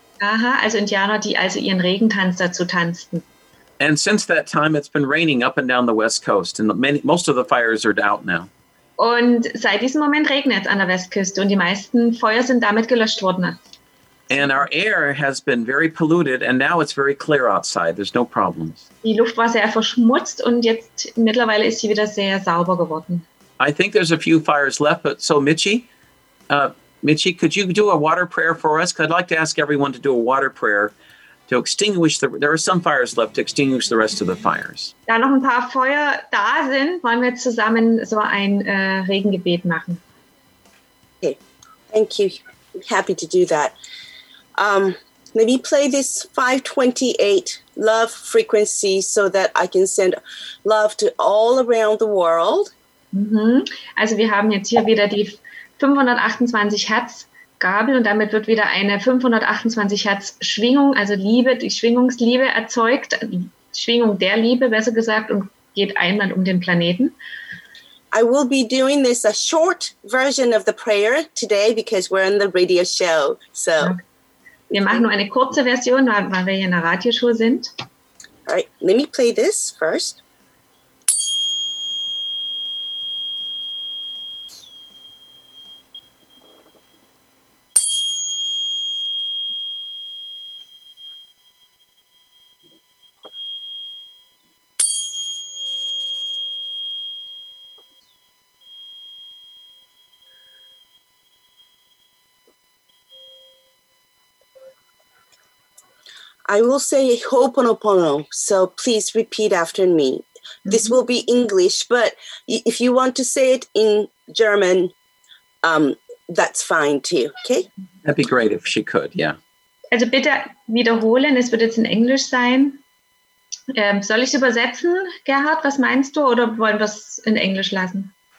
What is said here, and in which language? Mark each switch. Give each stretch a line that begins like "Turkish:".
German: Aha, also Indianer, die also ihren Regentanz dazu tanzten.
English: And since that time, it's been raining up and down the West Coast, and most of the fires are out now.
German: Und seit diesem Moment regnet es an der Westküste, und die meisten Feuer sind damit gelöscht worden.
English: And our air has been very polluted, and now it's very clear outside. There's no problems.
German: Die Luft war sehr verschmutzt, und jetzt mittlerweile ist sie wieder sehr sauber geworden.
English: I think there's a few fires left, but so Michi. Michi, could you do a water prayer for us? I'd like to ask everyone to do a water prayer to extinguish there are some fires left, to extinguish the rest of the fires.
German: Da noch ein paar Feuer da sind, wollen wir zusammen so ein Regengebet machen.
English: Okay, thank you. Happy to do that. Maybe play this 528 love frequency so that I can send love to all around the world. Mm-hmm.
German: Also wir haben jetzt hier wieder die 528 Hertz Gabel und damit wird wieder eine 528 Hertz Schwingung, also Liebe, die Schwingungsliebe erzeugt, Schwingung der Liebe, besser gesagt, und geht einmal um den Planeten.
English: I will be doing this a short version of the prayer today because we're in the radio show. So.
German: Wir machen nur eine kurze Version, weil wir hier in der Radioshow sind.
English: All right, let me play this first. Thank you. I will say Ho'oponopono, so please repeat after me. Mm-hmm. This will be English, but if you want to say it in German, that's fine too, okay? That'd be great if she could, yeah.
German: Also bitte wiederholen, es wird jetzt in Englisch sein. Soll ich übersetzen, Gerhard, was meinst du, oder wollen wir es in Englisch lassen?